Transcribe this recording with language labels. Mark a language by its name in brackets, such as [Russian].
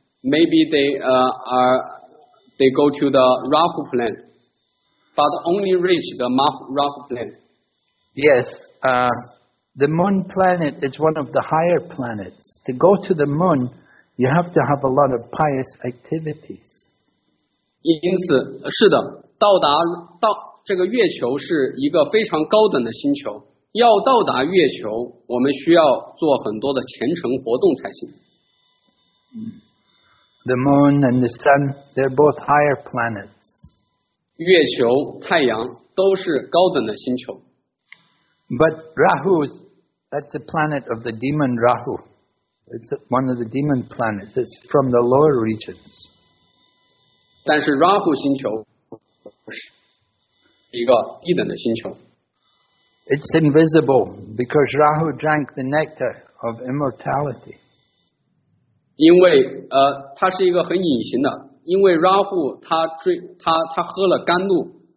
[English] Maybe they go to the Rahu planet, but only reach the Rahu planet. Yes, the moon planet is one of the higher planets. To go to the moon, you have to have a lot of pious activities. [Chinese] 因此，是的，到这个月球是一个非常高等的星球。要到达月球，我们需要做很多的虔诚活动才行。 [English] The moon and the sun, they're both higher planets. [Chinese] 月球、太阳都是高等的星球。 [English] But Rahu, that's a planet of the demon Rahu. It's one of the demon planets. It's from the lower regions. [Chinese] 但是 Rahu 星球是一个低等的星球。 [English] It's invisible because Rahu drank the nectar of immortality. [Chinese] 因为它是一个很隐形的，因为 Rahu 他喝了甘露。